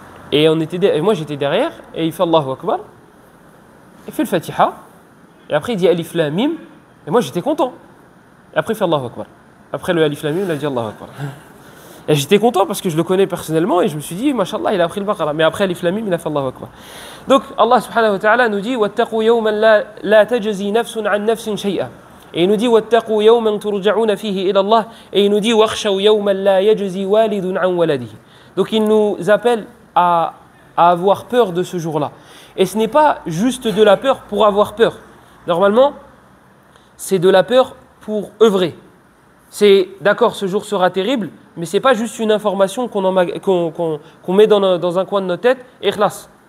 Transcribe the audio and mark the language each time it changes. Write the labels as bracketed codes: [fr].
[fr] Et moi, j'étais derrière, et il fait Allahu Akbar. Il fait le Fatiha, et après il dit Alif Lam Mim, et moi j'étais content. Et après il fait Allahu Akbar. Après le Alif Lam Mim, il a dit Allahu Akbar. Et j'étais content parce que je le connais personnellement, et je me suis dit, Mashallah, il a appris le Baqara. Mais après Alif Lam Mim, il a fait Allahu Akbar. Donc Allah subhanahu wa ta'ala nous dit, [ar] وَاتَّقُوا يَوْمًا لَا تَجَزِي نَفْسٌ عَن نَفْسٍ شَيْئًا. [fr] Et il nous dit, [ar] وَاتَّقُوا يَوْمًا تُرُجَعُونَ فِيهِ إِلَى اللَّهِ. Et il nous dit, وَخْشَوْا يَوْمًا لَا يَجَزِي وَالِدٌ عَن وَلَدِهِ. [fr] Donc il nous appelle à avoir peur de ce jour-là. Et ce n'est pas juste de la peur pour avoir peur. Normalement, c'est de la peur pour œuvrer. C'est d'accord, ce jour sera terrible, mais ce n'est pas juste une information qu'on met dans un coin de notre tête, et ikhlas.